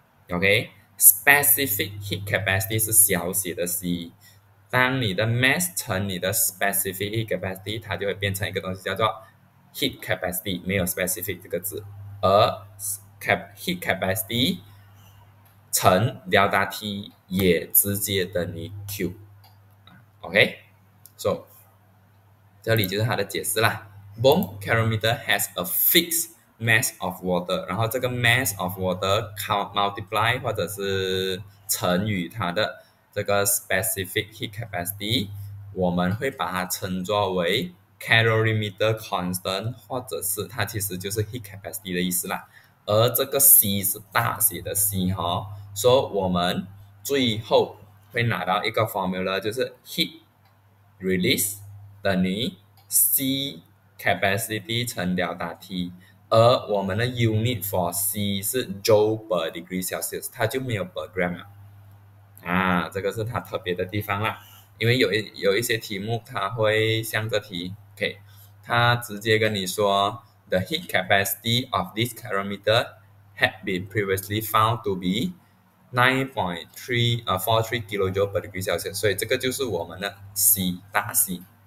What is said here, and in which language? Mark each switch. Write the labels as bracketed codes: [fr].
[zh] OK， specific heat capacity 是小写的 C， 当你的 mass 乘你的 specific heat capacity， 它就会变成一个东西叫做 heat capacity， 没有 specific 这个字，而 heat capacity乘 delta T 也直接等于 Q。 OK， so 这里就是它的解释啦。 [en] Bomb calorimeter has a fixed mass of water， [zh] 然后这个 mass of water multiply 或者是乘以它的这个 specific heat capacity， 我们会把它称作为 calorimeter constant， 或者是它其实就是 heat capacity 的意思啦。而这个 C 是大写的 C 哦，所以我们最后会拿到一个 formula， 就是 heat release 等于 C capacity 乘 delta T， 而我们的 unit for C 是 joule per degree Celsius， 它就没有 per gram 了。啊，这个是它特别的地方啦，因为有一些题目它会像这题 ，OK， 它直接跟你说 [en] the heat capacity of this calorimeter had been previously found to be 9.43 kilojoule per degree Celsius， [zh] 所以这个就是我们的 C 大 C。